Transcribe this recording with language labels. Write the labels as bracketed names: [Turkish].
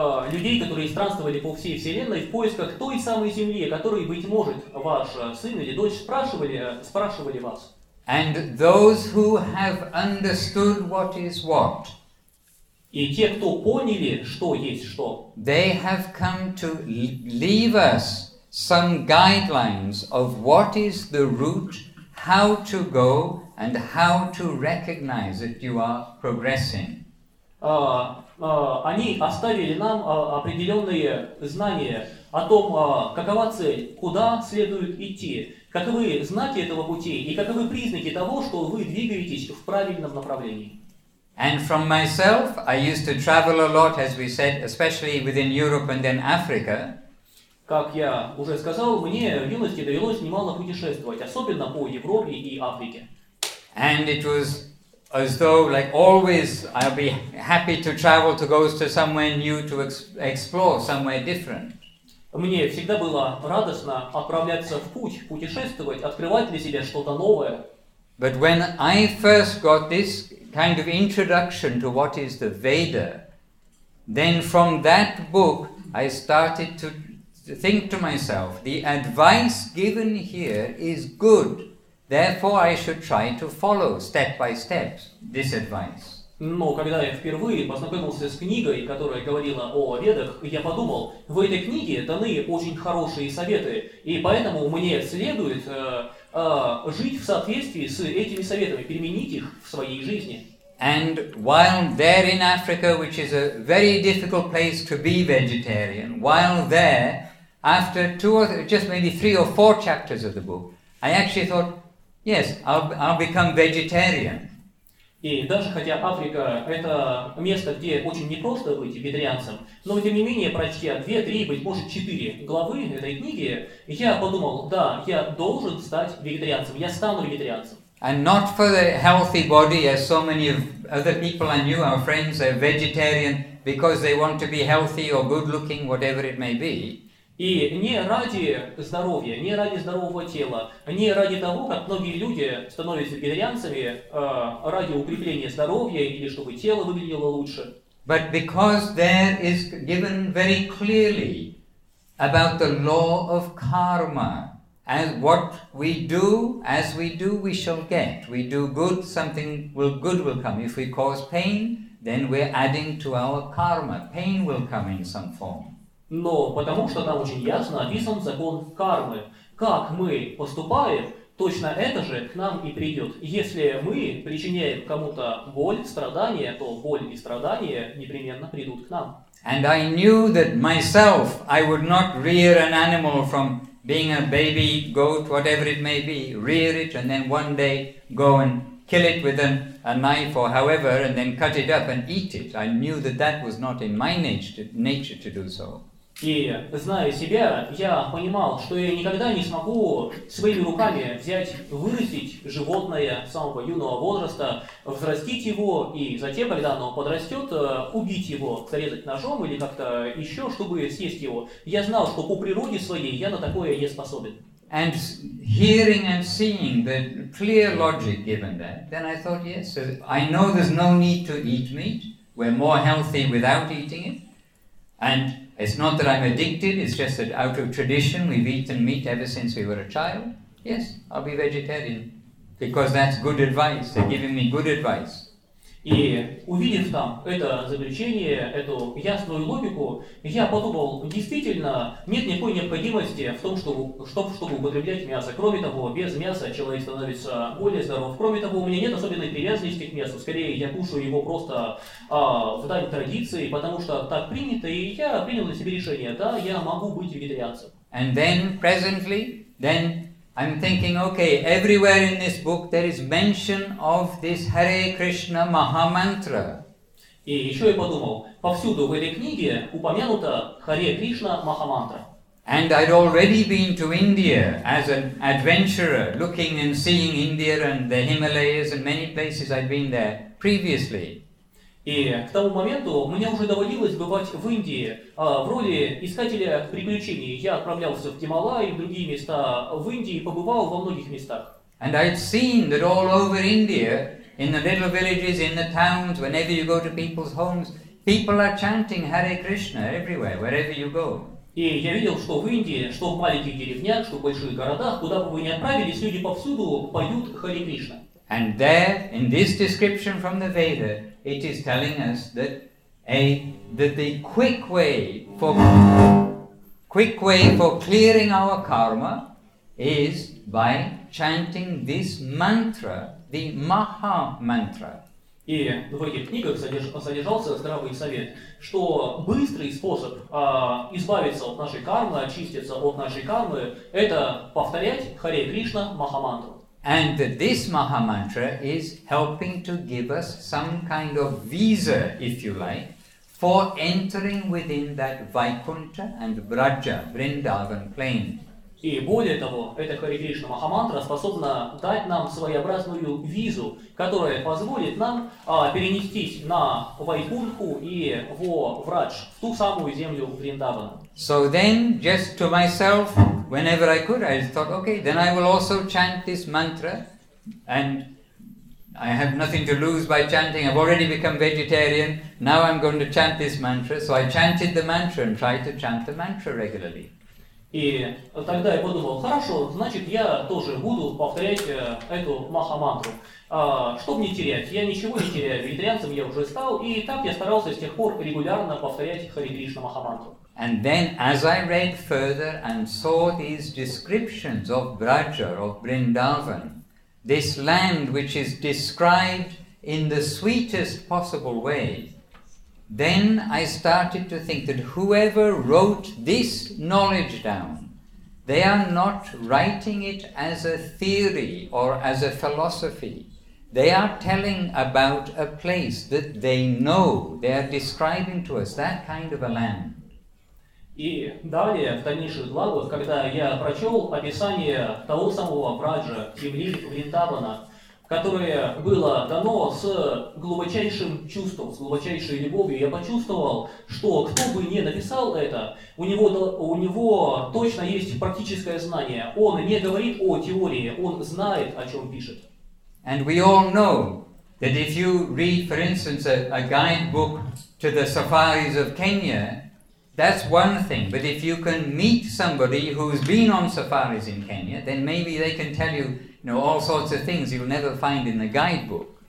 [Russian] Людей, которые странствовали по всей Вселенной в поисках той самой Земли, которой, быть может, ваш сын или дочь спрашивали вас. [English] And those who have understood what is what. [Russian] И те, кто поняли, что есть что. [English] They have come to leave us some guidelines of what is the route, how to go, and how to recognize that you are progressing. [Russian] Они оставили нам определенные знания о том, какова цель, куда следует идти, каковы знаки этого пути и каковы признаки того, что вы двигаетесь в правильном направлении. [English] And from myself, I used to travel a lot, as we said, especially within Europe and then Africa. [Russian] Как я уже сказал, мне в юности довелось немало путешествовать, особенно по Европе и Африке. [English] And it was as though, like always, I'll be happy to travel to go to somewhere new, to explore somewhere different. [Russian] Мне всегда было радостно отправляться в путь, путешествовать, открывать для себя что-то новое. [English] But when I first got this kind of introduction to what is the Veda, then from that book I started to think to myself, the advice given here is good, therefore I should try to follow step by step this advice. [Russian] Но когда я впервые познакомился с книгой, которая говорила о Ведах, я подумал, в этой книге даны очень хорошие советы, и поэтому мне следует жить в соответствии с этими советами, применить их в своей жизни. [English] And while there in Africa, which is a very difficult place to be vegetarian, while there, after two or just maybe three or four chapters of the book, I actually thought, yes, I'll become vegetarian. [Russian] И даже хотя Африка это место, где очень непросто быть вегетарианцем, но тем не менее, прочтя две, три, быть может четыре главы этой книги, я подумал, да, я должен стать вегетарианцем, я стану вегетарианцем. [English] And not for the healthy body, as so many of other people I knew, our friends, are vegetarian because they want to be healthy or good-looking, whatever it may be. [Russian] И не ради здоровья, не ради здорового тела, не ради того, как многие люди становятся вегетарианцами, ради укрепления здоровья или чтобы тело выглядело лучше. [English] But because there is given very clearly about the law of karma. And what we do, as we do, we shall get. We do good, good will come. If we cause pain, then we're adding to our karma. Pain will come in some form. [Russian] Но потому что там очень ясно описан закон кармы. Как мы поступаем, точно это же к нам и придет. Если мы причиняем кому-то боль, страдания, то боль и страдания непременно придут к нам. [English] And I knew that myself, I would not rear an animal from being a baby, goat, whatever it may be, rear it and then one day go and kill it with a knife or however and then cut it up and eat it. I knew that that was not in my nature to do so. [Russian] И, зная себя, я понимал, что я никогда не смогу своими руками взять, вырастить животное самого юного возраста, взрастить его, и затем, когда оно подрастет, убить его, зарезать ножом или как-то еще, чтобы съесть его. Я знал, что по природе своей я на такое не способен. [English] And hearing and seeing the clear logic given there, then I thought, yes, so I know there's no need to eat meat. We're more healthy without eating it. And it's not that I'm addicted, it's just that out of tradition we've eaten meat ever since we were a child. Yes, I'll be vegetarian. Because that's good advice. They're giving me good advice. [Russian] И увидев там это заключение, эту ясную логику, я подумал, действительно, нет никакой необходимости в том, чтобы употреблять мясо. Кроме того, без мяса человек становится более здоров. Кроме того, у меня нет особенной привязанности к мясу. Скорее, я кушаю его просто в дань традиции, потому что так принято, и я принял на себе решение. Да, я могу быть вегетарианцем. [English] And then, presently, then... I'm thinking, okay, everywhere in this book there is mention of this Hare Krishna Maha Mantra. [Russian] И еще я подумал, повсюду в этой книге упомянуто Hare Krishna Maha Mantra. [English] And I'd already been to India as an adventurer, looking and seeing India and the Himalayas and many places I'd been there previously. [Russian] И к тому моменту мне уже доводилось бывать в Индии в роли искателя приключений. Я отправлялся в Гималаи и в другие места в Индии, побывал во многих местах. [English] And I'd seen that all over India, in the little villages, in the towns, whenever you go to people's homes, people are chanting Hare Krishna everywhere, wherever you go. [Russian] И я видел, что в Индии, что в маленьких деревнях, что в больших городах, куда бы вы ни отправились, люди повсюду поют Hare Krishna. [English] And there, in this description from the Veda, it is telling us that that the quick way for clearing our karma is by chanting this mantra, the Maha Mantra. [Russian] И в этих книгах содержался здравый совет, что быстрый способ избавиться от нашей кармы, очиститься от нашей кармы, это повторять Харе Кришна Маха Мантру. [English] And that this Maha Mantra is helping to give us some kind of visa, if you like, for entering within that Vaikuntha and Braja, Vrindavan plain. [Russian] И более того, эта Hare Krishna Maha Mantra способна дать нам своеобразную визу, которая позволит нам перенестись на Вайкунху и во Врадж, в ту самую землю Вриндавана. [English] So then, just to myself, whenever I could, I thought, okay, then I will also chant this mantra, and I have nothing to lose by chanting. I've already become vegetarian, now I'm going to chant this mantra. So I chanted the mantra and tried to chant the mantra regularly. [Russian] И тогда я подумал, хорошо, значит, я тоже буду повторять эту Маха-мантру. Что мне терять? Я ничего не теряю, вегетарианцем я уже стал, и так я старался с тех пор регулярно повторять Hare Krishna Маха-мантру. [English] And then, as I read further and saw these descriptions of Braja, of Vrindavan, this land which is described in the sweetest possible way, then I started to think that whoever wrote this knowledge down, they are not writing it as a theory or as a philosophy. They are telling about a place that they know. They are describing to us that kind of a land. [Russian] И далее, в дальнейших главах, когда я прочел описание того самого Браджа, земли Вриндавана, которое было дано с глубочайшим чувством, с глубочайшей любовью, я почувствовал, что кто бы ни написал это, у него точно есть практическое знание. Он не говорит о теории, он знает, о чем пишет. [English] And we all know that if you read, for instance, a guidebook to the safaris of Kenya, that's one thing, but if you can meet somebody who's been on safaris in Kenya, then maybe they can tell you, you know, all sorts of things you'll never find in the guidebook.